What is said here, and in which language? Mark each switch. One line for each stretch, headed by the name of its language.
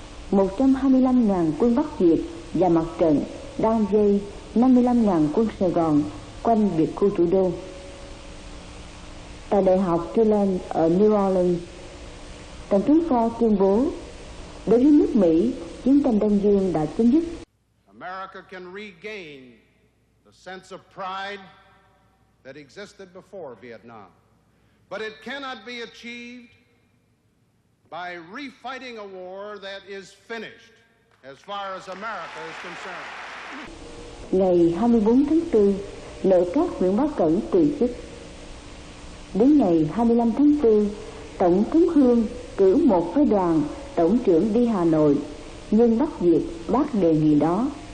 Vietnamese: 125.000 quân Bắc Việt và mặt trận đang dây 55.000 quân Sài Gòn quanh biệt khu thủ đô. Tại Đại học Tulane ở New Orleans, Tổng thống Ford tuyên bố đối với nước Mỹ, chiến tranh Đông Dương đã chấm dứt.
English: America can regain the sense of pride that existed before Vietnam, but it cannot be achieved by refighting a war that is finished, as far as America is concerned.
Vietnamese: Ngày 24 tháng 4, nội các Nguyễn Bá Cẩn từ chức. Đến ngày 25 tháng 4, Tổng thống Hương cử một phái đoàn tổng trưởng đi Hà Nội, nhưng Bắc Việt bác đề nghị đó.